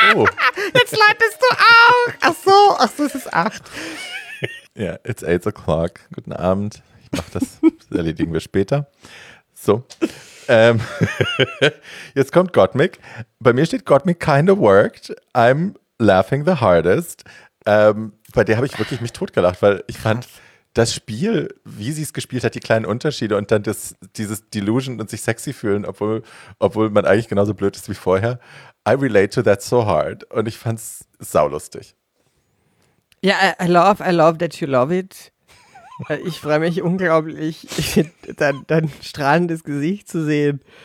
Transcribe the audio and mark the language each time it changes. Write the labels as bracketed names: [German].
[German] Oh. Jetzt leitest du auch. Ach so, es ist 8. [English] Ja, yeah, it's 8:00. Guten Abend. [German] Ich mach das erledigen wir später. So, jetzt kommt Gottmik. Bei mir steht Gottmik kinda worked. [English] I'm laughing the hardest. [German] Bei der habe ich wirklich mich totgelacht, weil ich fand das Spiel, wie sie es gespielt hat, die kleinen Unterschiede und dann dieses Delusion und sich sexy fühlen, obwohl man eigentlich genauso blöd ist wie vorher. [English] I relate to that so hard. Und ich fand es saulustig. Ja, yeah, I love that you love it. [German] Ich freue mich unglaublich, dein strahlendes Gesicht zu sehen.